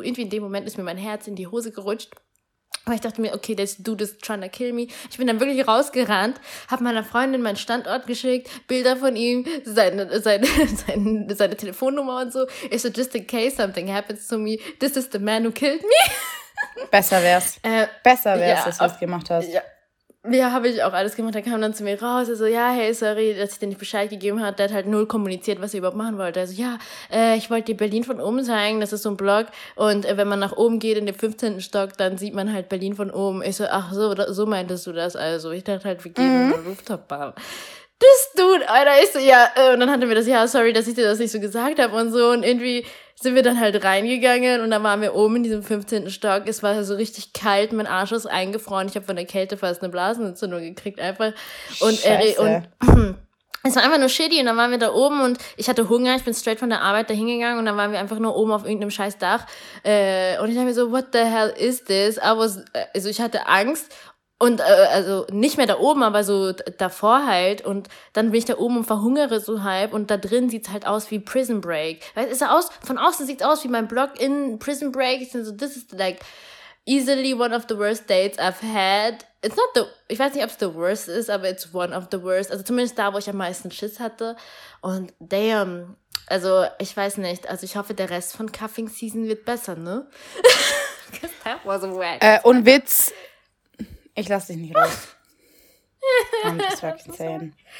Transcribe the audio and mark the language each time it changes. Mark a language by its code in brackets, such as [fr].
[de] Irgendwie in dem Moment ist mir mein Herz in die Hose gerutscht. Aber ich dachte mir, okay, [en] this dude is trying to kill me. [de] Ich bin dann wirklich rausgerannt, habe meiner Freundin meinen Standort geschickt, Bilder von ihm, seine Telefonnummer und so. Ich so, [en] just in case something happens to me, this is the man who killed me. [de] Besser wär's, dass du das gemacht hast. Ja. Ja, habe ich auch alles gemacht. Er kam dann zu mir raus. Er so, ja, hey, sorry, dass ich dir nicht Bescheid gegeben habe. Der hat halt null kommuniziert, was er überhaupt machen wollte. Er so, ja, ich wollte dir Berlin von oben zeigen. Das ist so ein Blog. Und wenn man nach oben geht in den 15. Stock, dann sieht man halt Berlin von oben. Ich so, ach so, so meintest du das also. Ich dachte halt, wir gehen in den Rooftop-Bar. Das Dude, Alter, ist so, ja. Und dann hatte mir das, ja, sorry, dass ich dir das nicht so gesagt habe und so. Und irgendwie sind wir dann halt reingegangen und dann waren wir oben in diesem 15. Stock. Es war so richtig kalt, mein Arsch ist eingefroren. Ich habe von der Kälte fast eine Blasenentzündung gekriegt einfach. Und es war einfach nur shitty und dann waren wir da oben und ich hatte Hunger. Ich bin straight von der Arbeit da hingegangen und dann waren wir einfach nur oben auf irgendeinem scheiß Dach. Und ich dachte mir so, [en] what the hell is this? [de] Also ich hatte Angst. Und also nicht mehr da oben, aber so davor halt. Und dann bin ich da oben und verhungere so halb. Und da drin sieht's halt aus wie Prison Break. Weil es ist aus, von außen sieht's aus wie mein Block in Prison Break. Ich bin so, [en] this is like easily one of the worst dates I've had. It's not the, [de] ich weiß nicht, ob's [en] the worst [de] ist, aber [en] it's one of the worst. [de] Also zumindest da, wo ich am meisten Schiss hatte. Und damn, also ich weiß nicht. Also ich hoffe, der Rest von Cuffing Season wird besser, ne? [en] That was a wack. [de] Und Witz. Ich lass dich nicht raus. [en] I'm just fucking saying.